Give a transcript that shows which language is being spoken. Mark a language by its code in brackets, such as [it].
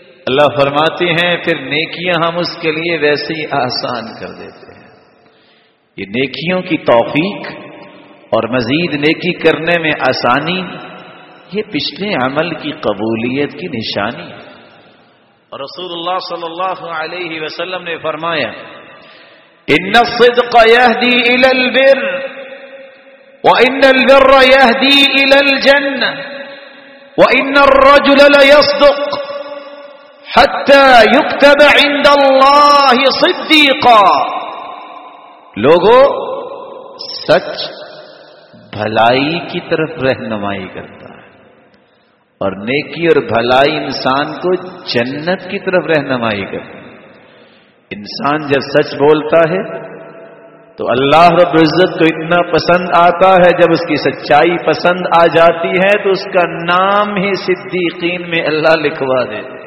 [ur] اللہ فرماتے ہیں پھر نیکیاں ہم اس کے لیے ویسے ہی آسان کر دیتے ہیں. یہ نیکیوں کی توفیق اور مزید نیکی کرنے میں آسانی, یہ پچھلے عمل کی قبولیت کی نشانی ہے. رسول اللہ صلی اللہ علیہ وسلم نے فرمایا [ar] ان الصدق يهدي الى البر وان البر يهدي الى الجنه وان الرجل ليصدق حتى يكتب عند الله صديقا. [ur] لوگو, سچ بھلائی کی طرف رہنمائی کرتا ہے اور نیکی اور بھلائی انسان کو جنت کی طرف رہنمائی کرتا ہے. انسان جب سچ بولتا ہے تو اللہ رب العزت کو اتنا پسند آتا ہے, جب اس کی سچائی پسند آ جاتی ہے تو اس کا نام ہی صدیقین میں اللہ لکھوا دے.